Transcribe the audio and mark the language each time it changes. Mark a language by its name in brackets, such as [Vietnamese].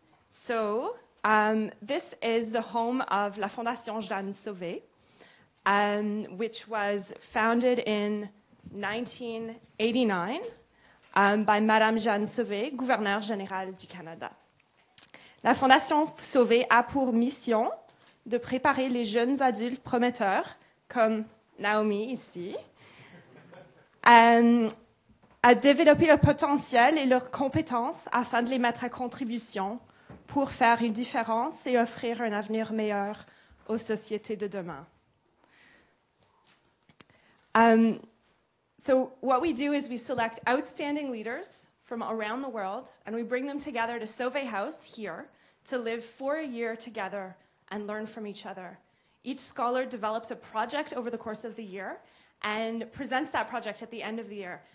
[English] So this is the home of La Fondation Jeanne Sauvé, which was founded in 1989 by Madame Jeanne Sauvé, Gouverneur Générale du Canada. [French] La Fondation Sauvé a pour mission de préparer les jeunes adultes prometteurs, comme Naomi ici, à développer leur potentiel et leurs compétences afin de les mettre à contribution pour faire une différence et offrir un avenir meilleur aux sociétés de demain. [English] So what we do is we select outstanding leaders from around the world and we bring them together to Sauvé House here to live for a year together and learn from each other. Each scholar develops a project over the course of the year and presents that project at the end of the year.